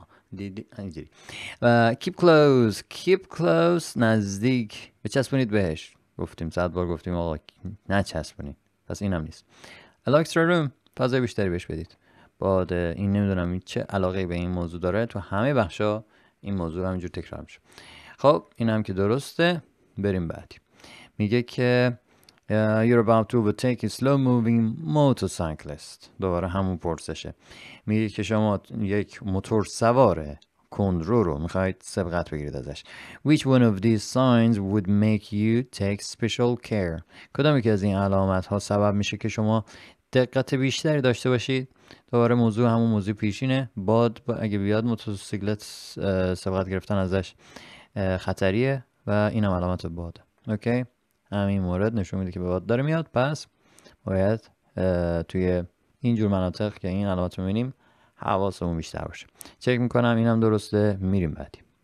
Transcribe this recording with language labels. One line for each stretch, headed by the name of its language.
Persian: دید اینجوری و
English: keep close
Persian: نزدیک بچسبونید بهش گفتیم صد بار گفتیم آقا نچسبونید پس اینم نیست
English: a extra room
Persian: فضای بیشتری بهش بدید بعد این نمیدونم چه علاقه به این موضوع داره تو همه بخشا این موضوع همینجور تکرار میشه خب اینم که درسته بریم بعدی میگه که
English: you're about to overtake a slow-moving motorcyclist.
Persian: دوباره همون پرسشه. میگه که شما یک موتور سواره کندرو رو میخواید سبقت بگیرید ازش.
English: Which one of these signs would make you take special care?
Persian: کدامی که از این علامت ها سبب میشه که شما دقت بیشتری داشته باشید؟ دوباره موضوع همون موضوع پیشینه. باد اگه بیاد موتورسیکلت سبقت گرفتن ازش خطریه و اینم علامت باد. اوکی؟ همین مورد نشون میده که به باد داره میاد پس باید توی اینجور مناطق که این علامت رو میبینیم حواسمون بیشتر باشه چک میکنم اینم درسته میریم بعدی